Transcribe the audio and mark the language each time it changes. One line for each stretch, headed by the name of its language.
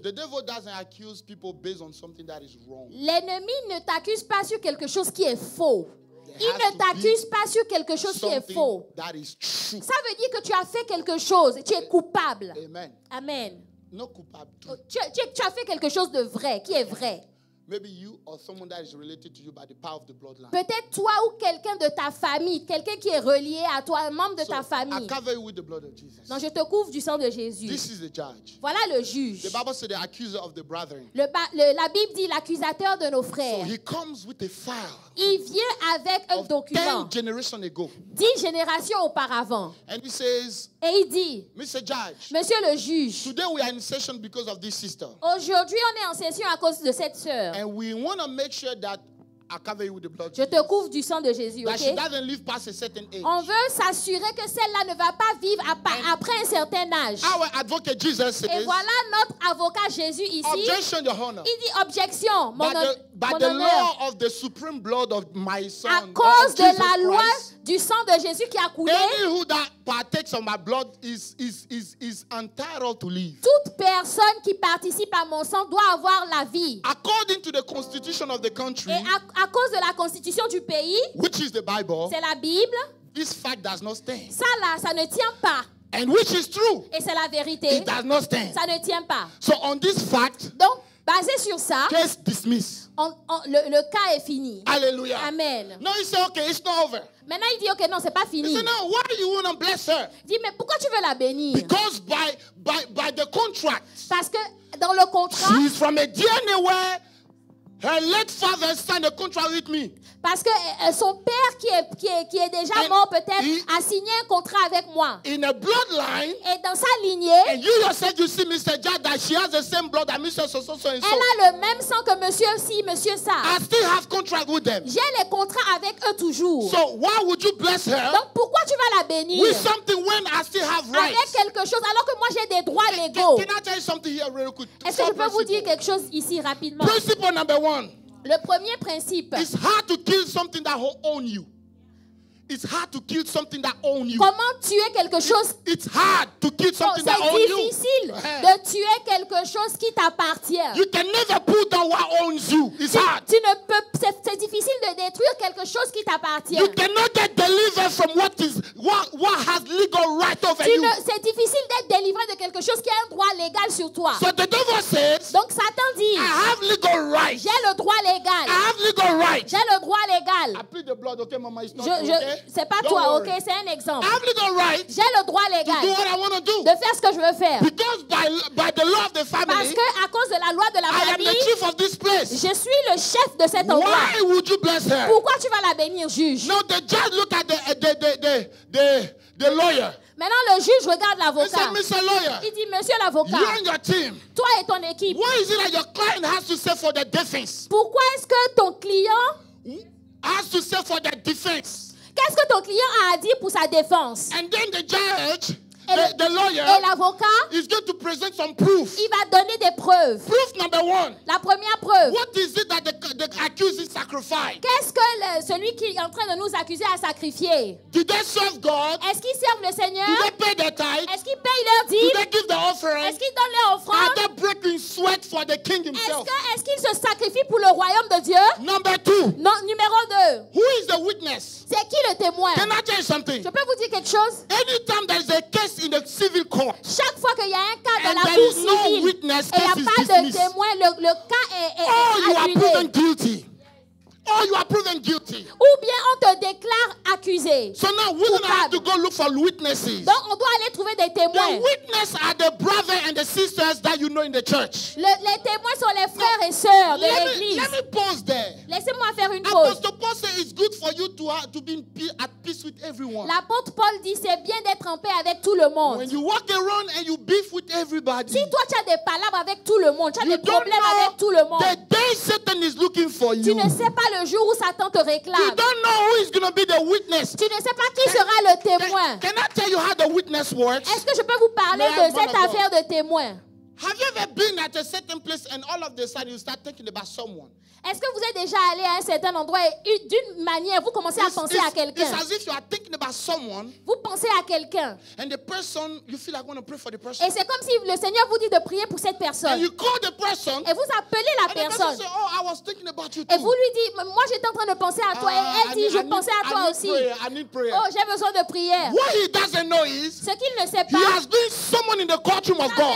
English: The devil doesn't accuse people based on something that is wrong.
French: L'ennemi ne t'accuse pas sur quelque chose qui est faux. Il ne t'accuse pas sur quelque chose qui est faux. Ça veut dire que tu as fait quelque chose et tu es coupable. Amen. Amen. Non coupable. Tu as fait quelque chose de vrai, qui est vrai.
English: Maybe you or someone that is related to you by the power of the bloodline.
French: Peut-être toi ou quelqu'un de ta famille, quelqu'un qui est relié à toi, un membre de
English: so,
French: ta famille.
English: I cover you with the blood of Jesus.
French: Non, je te couvre du sang de Jésus.
English: This is the judge.
French: Voilà le juge.
English: The Bible says the accuser of the brethren.
French: La Bible dit l'accusateur de nos frères.
English: So he comes with a file.
French: Il vient avec un document.
English: 10 generations ago.
French: 10 générations auparavant.
English: And he says.
French: Et il dit.
English: Mr. Judge.
French: Monsieur le juge.
English: Today we are in session because of this sister.
French: Aujourd'hui on est en session à cause de cette sœur.
English: And we want to make sure that I cover you with the blood.
French: Je te couvre du sang de Jésus, okay?
English: That she doesn't live past a certain age.
French: On veut s'assurer que celle-là ne va pas vivre après un certain âge.
English: Our advocate Jesus
French: et voilà notre avocat Jésus ici.
English: Objection, Your Honor.
French: Il dit objection,
English: by the law of the supreme blood of my son.
French: À cause de
English: Jesus
French: la loi
English: Christ,
French: du sang de Jésus qui a coulé.
English: Who that partakes of my blood is entitled to live.
French: Toute personne qui participe à mon sang doit avoir la vie.
English: According to the constitution of the country.
French: Et à cause de la constitution du pays.
English: Which is the Bible.
French: C'est la Bible.
English: This fact does not stand.
French: Ça là, ça ne tient pas.
English: And which is true.
French: Et c'est la vérité.
English: It does not stand.
French: Ça ne tient pas.
English: So on this fact.
French: Donc basé sur ça.
English: Case dismissed.
French: Le cas est fini. Alléluia. Amen.
English: No, you say okay, it's not over.
French: Maintenant il dit ok non c'est pas fini.
English: He said, no, why you wanna bless her?
French: Dit mais pourquoi tu veux la bénir?
English: Because by the contract.
French: Parce que dans le contrat.
English: She is from a DNA where her late father signed a contract with me.
French: Parce que son père qui est déjà
English: and
French: mort peut-être a signé un contrat avec moi.
English: In a bloodline.
French: Et dans sa lignée.
English: And you yourself you see Mr. Jack that she has the same blood as Mr. So so so and so.
French: Elle a le même sang que Monsieur si Monsieur ça.
English: I still have contract with them.
French: J'ai les contrats avec eux toujours.
English: So why would you bless her?
French: Donc pourquoi tu vas la bénir?
English: With something when I still have rights.
French: Avec quelque chose alors que moi j'ai des droits légaux.
English: Can I tell you something here real quick?
French: Est-ce que je peux vous dire quelque chose ici rapidement?
English: Principle number one.
French: Le premier principe.
English: It's hard to kill something that owns you. It's hard to kill something that owns you.
French: Comment tuer quelque chose?
English: It's hard to kill something that owns you.
French: C'est difficile de tuer quelque chose qui t'appartient.
English: You can never put down what owns you. It's hard.
French: Tu ne peux. C'est difficile de détruire quelque chose qui t'appartient.
English: You cannot get delivered from what has legal right over you.
French: C'est difficile d'être délivré de quelque chose qui a un droit légal sur toi.
English: So the devil says.
French: Donc Satan dit.
English: I have legal right.
French: J'ai le droit légal.
English: I have legal right.
French: J'ai le droit légal.
English: I plead the blood, okay, mama, it's not
French: C'est pas
English: Don't
French: toi,
English: worry.
French: Ok? C'est un exemple.
English: I'm legal right
French: J'ai le droit légal
English: to do what I wanna do.
French: De faire ce que je veux faire.
English: Because by the law of the family,
French: parce que à cause de la loi de la
English: I
French: famille,
English: am the chief of this place.
French: Je suis le chef de cet endroit.
English: Why would you bless her?
French: Pourquoi tu vas la bénir, juge?
English: No, the judge look at the lawyer.
French: Maintenant, le juge regarde l'avocat.
English: He said, Mr. Lawyer,
French: il dit, monsieur l'avocat,
English: you and your team,
French: toi et ton équipe,
English: why is it that your client has to say for the defense?
French: Pourquoi est-ce que ton client
English: has to say for the defense?
French: Qu'est-ce que ton client a à dire pour sa défense?
English: And then the judge,
French: Et l'avocat
English: is going to present some proof.
French: Il va donner des preuves.
English: Proof number one.
French: La première preuve.
English: What is it that the accuser sacrificed?
French: Qu'est-ce que celui qui est en train de nous accuser a sacrifié?
English: Did they serve God?
French: Est-ce qu'ils servent le Seigneur?
English: Did they pay their tithe?
French: Est-ce qu'ils payent leur dîme?
English: Did they give the offering?
French: Est-ce qu'ils donnent leur offrande?
English: Are they breaking sweat for the king himself?
French: Est-ce qu'ils se sacrifient pour le royaume de Dieu?
English: Number two.
French: Non, numéro deux.
English: Who is the witness?
French: C'est qui le témoin?
English: Can I tell you something?
French: Je peux vous dire quelque chose?
English: Anytime there's a case in the civil court.
French: Chaque fois qu'il y a un cas dans la cour civile.
English: And there is no witness, case is dismissed.
French: Et il n'y a pas de témoin, le cas est annulé.
English: Oh, you are proven guilty. Or you are proven guilty.
French: Ou bien on te déclare accusé.
English: So now we don't have to go look for witnesses.
French: Donc on doit aller trouver des témoins.
English: The witnesses are the brothers and the sisters that you know in the church.
French: Les témoins sont les frères et sœurs de l'église.
English: Let me pause there.
French: Laissez-moi faire une pause.
English: Apostle Paul says it's good for you to be at peace with everyone.
French: L'apôtre Paul dit c'est bien d'être en paix avec tout le monde.
English: When you walk around and you beef with everybody.
French: Si toi tu as des palabres avec tout le monde, tu as des problèmes avec tout le monde.
English: The day Satan is looking for you.
French: Tu ne sais pas le jour où Satan te réclame.
English: You don't know who is going to be the witness.
French: Tu ne sais pas qui sera le témoin.
English: Can I tell you how the witness works?
French: Est-ce que je peux vous parler de cette affaire de témoin?
English: Have you ever been at a certain place and all of a sudden you start thinking about someone?
French: Est-ce que vous êtes déjà allé à un certain endroit et d'une manière vous commencez à penser à quelqu'un?
English: It's as if you are thinking about someone.
French: Vous pensez à quelqu'un.
English: And the person, you feel like you want to pray for the person.
French: Et c'est comme si le Seigneur vous dit de prier pour cette personne.
English: And you call the person.
French: Et vous appelez la personne.
English: And the person says, "Oh, I was thinking about you too."
French: Et vous lui dites, moi j'étais en train de penser à toi. Et elle dit, je pensais à toi aussi.
English: I need prayer.
French: Oh, j'ai besoin de prière.
English: What he doesn't know is.
French: Ce qu'il ne sait pas.
English: He has been someone in the courtroom of God.